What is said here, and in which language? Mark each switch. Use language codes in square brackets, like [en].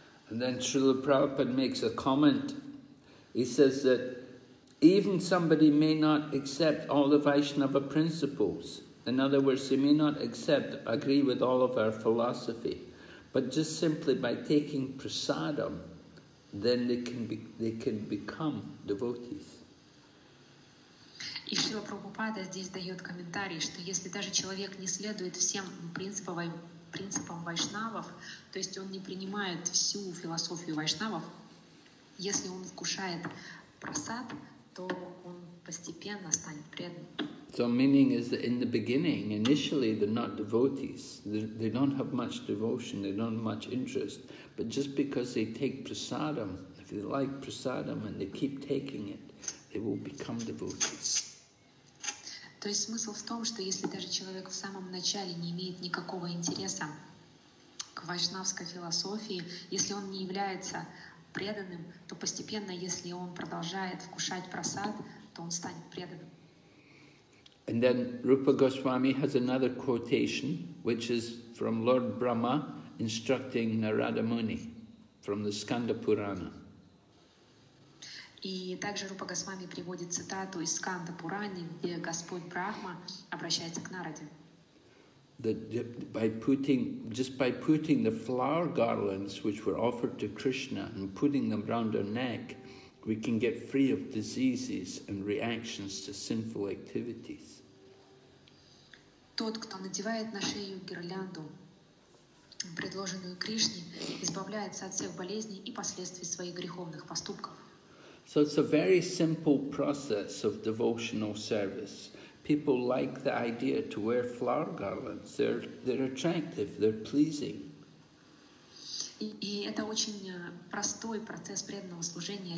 [en] And then Srila Prabhupada makes a comment. He says that even somebody may not accept all the Vaishnava principles. In other words, they may not accept, agree with all of our philosophy. But just simply by taking prasadam, then they can become devotees. [ru] И Шрила Прабхупада здесь дает комментарий, что если даже человек не следует всем принципам вайшнавов, то есть он не принимает всю философию вайшнавов, если он вкушает прасад, то он постепенно станет преданным. [en] So meaning is that in the beginning, initially they're not devotees. They don't have much devotion, they don't have much interest. But just because they take prasadam, if they like prasadam and they keep taking it, they will become devotees. [ru] То есть смысл в том, что если даже человек в самом начале не имеет никакого интереса к вайшнавской философии, если он не является преданным, то постепенно, если он продолжает вкушать прасад, то он станет преданным. [en] And then Rupa Goswami has another quotation, which is from Lord Brahma instructing Narada Muni from the Skanda Purana. [ru] И также Рупа Госвами приводит цитату из Сканда Пурани, где Господь Брахма обращается к Нараде. [en] By putting the flower garlands which were offered to Krishna and putting them round our neck, we can get free of diseases and reactions to sinful activities. [ru] Тот, кто надевает на шею гирлянду, предложенную Кришне, избавляется от всех болезней и последствий своих греховных поступков. [en] So it's a very simple process of devotional service. People like the idea to wear flower garlands. They're attractive, they're pleasing. [ru] И это очень простой процесс преданного служения.